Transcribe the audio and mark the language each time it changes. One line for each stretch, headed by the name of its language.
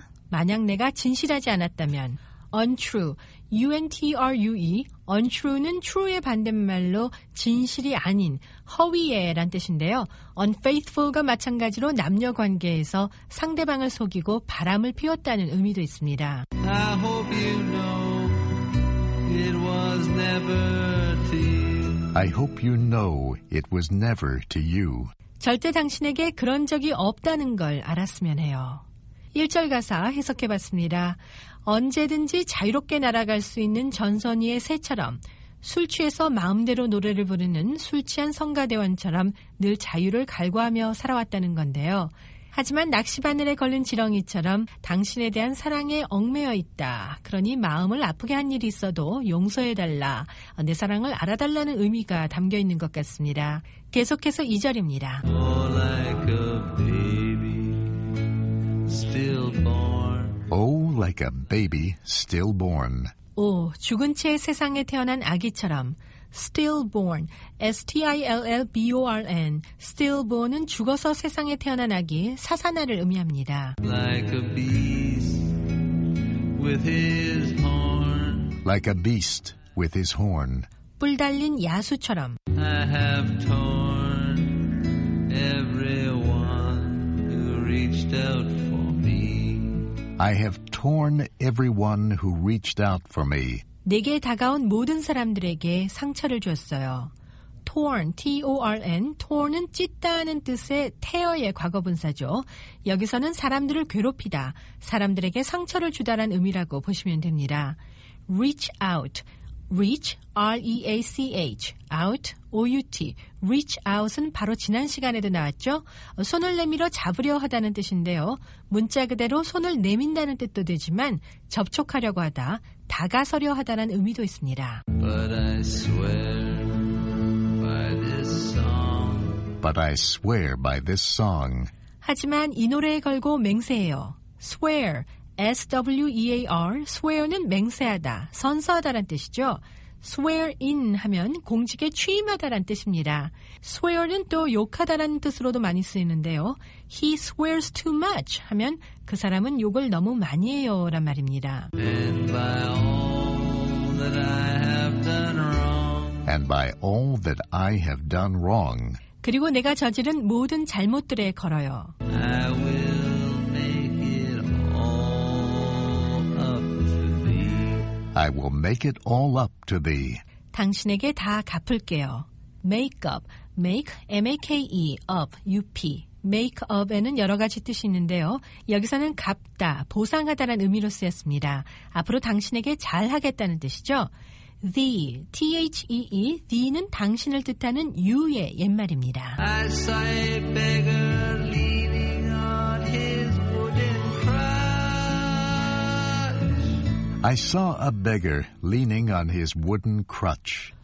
Korean: 만약 내가 진실하지 않았다면 untrue, untrue, untrue는 true의 반대말로 진실이 아닌 허위에란 뜻인데요. unfaithful과 마찬가지로 남녀관계에서 상대방을 속이고 바람을 피웠다는 의미도 있습니다.
English: I hope you know it was never to you. I hope you know it was never to you.
Korean: 절대 당신에게 그런 적이 없다는 걸 알았으면 해요. 1절 가사 해석해봤습니다. 언제든지 자유롭게 날아갈 수 있는 전선위의 새처럼 술 취해서 마음대로 노래를 부르는 술 취한 성가대원처럼 늘 자유를 갈구하며 살아왔다는 건데요. 하지만 낚시바늘에 걸린 지렁이처럼 당신에 대한 사랑에 얽매여 있다. 그러니 마음을 아프게 한 일이 있어도 용서해달라. 내 사랑을 알아달라는 의미가 담겨 있는 것 같습니다. 계속해서 2절입니다.
English: Like a baby still born. Oh, like a baby still born.
Korean: 오, 죽은 채 세상에 태어난 아기처럼.
English: Stillborn, S-T-I-L-L-B-O-R-N.
Korean: Stillborn은 죽어서 세상에 태어난 아기, 사산아를 의미합니다.
English: Like a beast with his horn. Like a beast with his horn.
Korean: 뿔 달린 야수처럼.
English: I have torn everyone who reached out for me. I have torn everyone who reached out for me.
Korean: 내게 다가온 모든 사람들에게 상처를 줬어요. Torn, T-O-R-N, torn은 찢다는 뜻의 tear의 과거분사죠. 여기서는 사람들을 괴롭히다, 사람들에게 상처를 주다란 의미라고 보시면 됩니다.
English: Reach out, reach, R-E-A-C-H, out, O-U-T.
Korean: Reach out은 바로 지난 시간에도 나왔죠. 손을 내밀어 잡으려 하다는 뜻인데요. 문자 그대로 손을 내민다는 뜻도 되지만 접촉하려고 하다, 다가서려 하다는 의미도 있습니다.
English: But I swear by this song. But I swear by this song.
Korean: 하지만 이 노래에 걸고 맹세해요. Swear, S-W-E-A-R, swear는 맹세하다, 선서하다란 뜻이죠. Swear in 하면 공직에 취임하다란 뜻입니다. Swear는 또 욕하다라는 뜻으로도 많이 쓰이는데요.
English: He swears too much
Korean: 하면 그 사람은 욕을 너무 많이 해요 란 말입니다.
English: And by all that I have done wrong. And by all that I have done wrong.
Korean: 그리고 내가 저지른 모든 잘못들에 걸어요.
English: I will make it all up to thee. I will make it all up to thee.
Korean: 당신에게 다 갚을게요. Make up. Make, M-A-K-E, up, U-P. Make up에는 여러 가지 뜻이 있는데요. 여기서는 갚다, 보상하다라는 의미로 쓰였습니다. 앞으로 당신에게 잘하겠다는 뜻이죠. The, T-H-E-E, the는 당신을 뜻하는 you의 옛말입니다.
English: I saw a beggar leaning on his wooden crutch. I saw a beggar leaning on his wooden crutch.